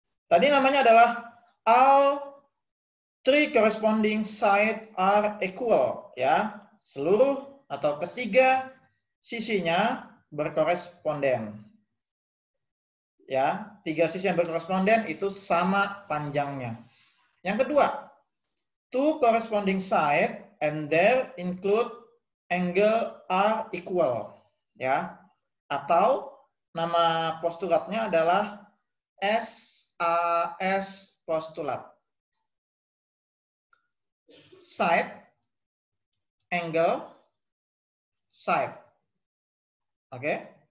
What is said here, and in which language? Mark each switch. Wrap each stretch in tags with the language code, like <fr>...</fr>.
<id>Tadi namanya adalah</id> <en>all three corresponding sides are equal,</en> <id>ya. Seluruh atau ketiga sisinya berkoresponden. Ya, tiga sisi yang berkoresponden itu sama panjangnya. Yang kedua,</id> <en>two corresponding sides and their include angle are equal, ya.</en> <id>Atau nama postulatnya adalah SAS postulat.</id> <en>Side, angle, side. Oke?</en>